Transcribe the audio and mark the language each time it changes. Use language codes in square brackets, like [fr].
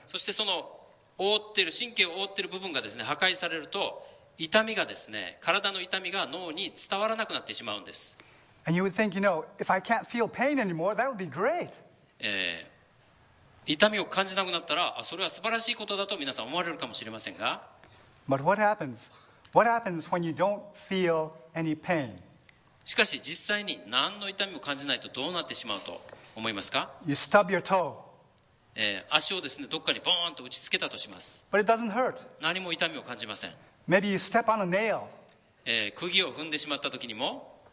[ja] そしてその覆っている神経を覆っている部分がですね、破壊されると痛みがですね、体の痛みが脳に伝わらなくなってしまうんです。 [en] And you would think, you know, if I can't feel pain anymore, that would be great. [ja] 痛みを感じなくなったら、あ、それは素晴らしいことだと皆さん思われるかもしれませんが。 [en] But what happens? What happens when you don't feel any pain? [ja] しかし実際に何の痛みも感じないとどうなってしまうと思いますか? [en] You stub your toe. [ja] 足をですね、どっかにボーンと打ちつけたとします。 [en] But it doesn't hurt. [ja] 何も痛みを感じません。 [en] Maybe you step on a nail. [ja] 釘を踏んでしまった時にも。